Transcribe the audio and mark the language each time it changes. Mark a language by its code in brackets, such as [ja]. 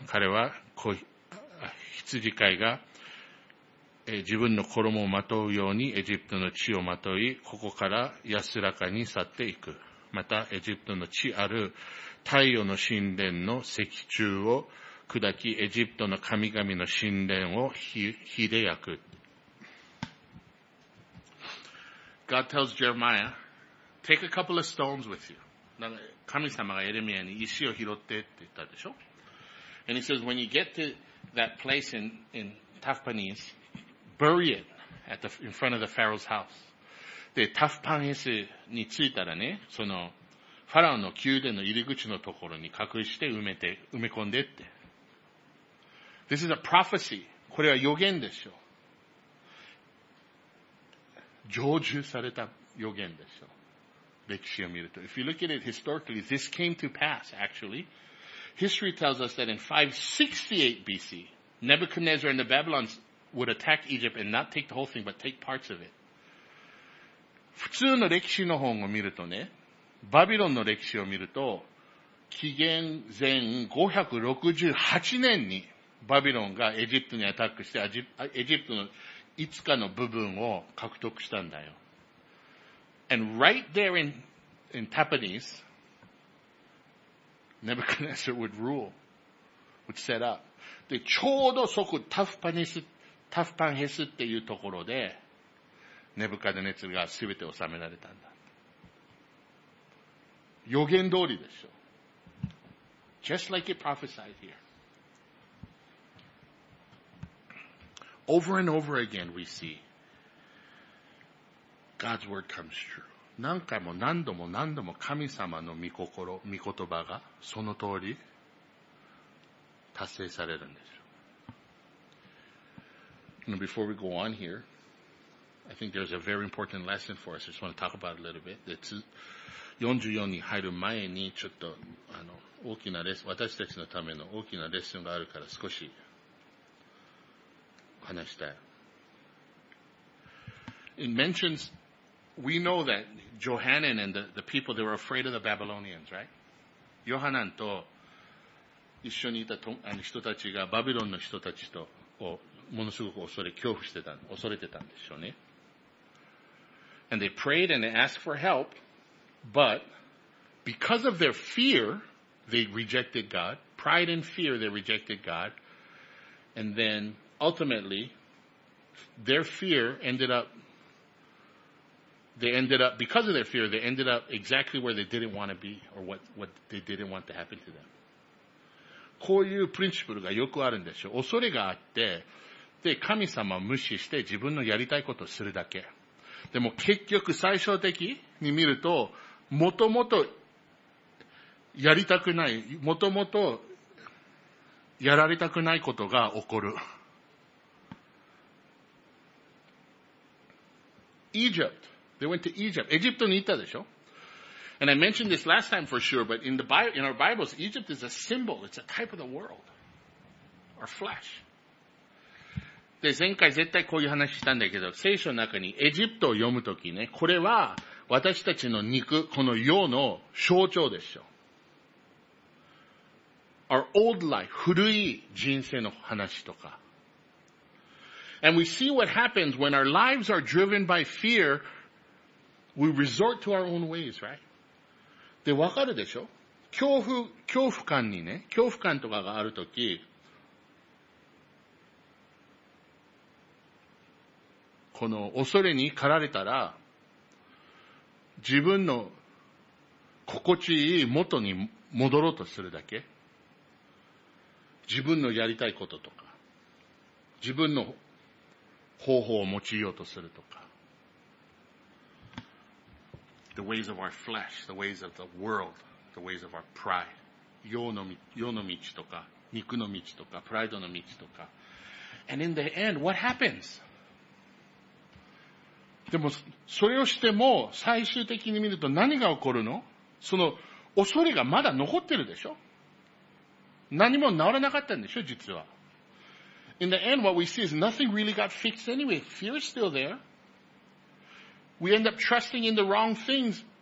[ja] 彼は羊飼いが自分の衣をまとうようにエジプトの地をまとい、ここから安らかに去っていく。またエジプトの地ある太陽の神殿の石柱を砕き、エジプトの神々の神殿を火で焼く。 [en] God tells Jeremiah, take a couple of stones with you. [ja] 神様がエレミアに石を拾ってって言ったでしょ。 [en] And he says, when you get to that place in Tafpanis, bury it in front of the Pharaoh's house. [ja] で、タフパネスに着いたらね、そのファラオの宮殿の入り口のところに隠して埋め込んでって。 [en] This is a prophecy. [ja] これは予言でしょ。成就された予言でしょ。歴史を見ると。 [en] If you look at it historically, this came to pass, actually. History tells us that in 568 BC, Nebuchadnezzar and the Babylonians would attack Egypt and not take the whole thing, but take parts of it. [ja] 普通の歴史の本を見るとね、バビロンの歴史を見ると、紀元前568年に、バビロンがエジプトにアタックして、エジプトの5日の部分を獲得したんだよ。 [en] And right there in Tapanis, Nebuchadnezzar would rule, would set up. [ja] で、ちょうどそこ、タフパンヘスっていうところで、ネブカデネツルが全て収められたんだ。予言通りでしょ。 [en] Just like it prophesied here. Over and over again we see God's word comes true. [ja] 何回も何度も何度も神様の御心、御言葉がその通り達成されるんです。 [en] Now before we go on here, I think there's a very important lesson for us. I just want to talk about it a little bit. [ja] 44に入る前にちょっと大きなレッスン、私たちのための大きなレッスンがあるから少し話したい。 [en] It mentions, we know that Johanan and the people, they were afraid of the Babylonians, right? [ja] ヨハナンと一緒にいた人たちがバビロンの人たちとをものすごく恐れてたんでしょうね。 [en] And they prayed and they asked for help, but because of their fear, they rejected God. Pride and fear, they rejected God. And then,Ultimately, their fear ended up, because of their fear, they ended up exactly where they didn't want to be or what they didn't want to happen to them. [ja] こういうプリンシプルがよくあるんでしょ。恐れがあって、で、神様を無視して自分のやりたいことをするだけ。でも結局最終的に見ると、もともとやりたくない、もともとやられたくないことが起こる。 [en] Egypt. They went to Egypt. Egypt [ja] に行ったでしょ? [en] And I mentioned this last time for sure, but in our Bibles, Egypt is a symbol. It's a type of the world. our flesh. [ja] で、前回絶対こういう話したんだけど、聖書の中にエジプトを読むときね、これは私たちの肉、この世の象徴でしょ。 [en] Our old life, [ja] 古い人生の話とか。 [en] And we see what happens when our lives are driven by fear, we resort to our own ways, right? [ja] で、わかるでしょ？恐怖感にね、恐怖感とかがあるとき、この恐れに駆られたら、自分の心地いい元に戻ろうとするだけ。自分のやりたいこととか、自分の方法を用いようとするとか。 [en] The ways of our flesh, the ways of the world, the ways of our pride. [ja] 世の道とか、肉の道とか、プライドの道とか。 [en] And in the end, what happens? [ja] でも、それをしても、最終的に見ると何が起こるの？その、恐れがまだ残ってるでしょ？何も治らなかったんでしょ、実は。 [en] In the end, what we see is nothing really got fixed anyway. Fear is still there. We end up trusting in the wrong things.